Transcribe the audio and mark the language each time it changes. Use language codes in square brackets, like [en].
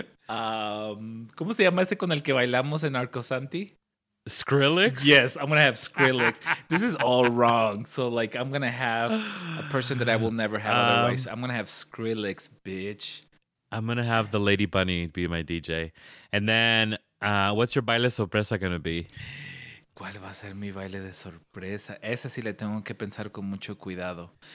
[es] ¿Cómo se llama ese con el que bailamos en Arcosanti? [en] Skrillex? Yes, I'm going to have Skrillex. This is all wrong. So, like, I'm going to have a person that I will never have otherwise. I'm going to have Skrillex, bitch. I'm going to have the Lady Bunny be my DJ. And then, what's your [es] baile sorpresa [en] going to be? [es] ¿Cuál va a ser mi baile de sorpresa? Esa sí le tengo que pensar con mucho cuidado.